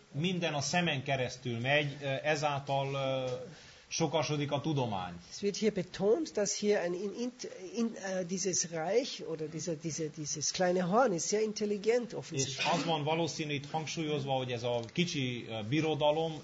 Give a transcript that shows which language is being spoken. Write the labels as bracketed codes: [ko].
[hu] Minden a szemen keresztül megy, ezáltal sokasodik a tudomány. [de] Es wird hier betont, dass hier dieses Reich oder dieses kleine Horn ist sehr intelligent offensichtlich. [hu] És az van valószínű, itt hangsúlyozva, hogy ez a kicsi birodalom.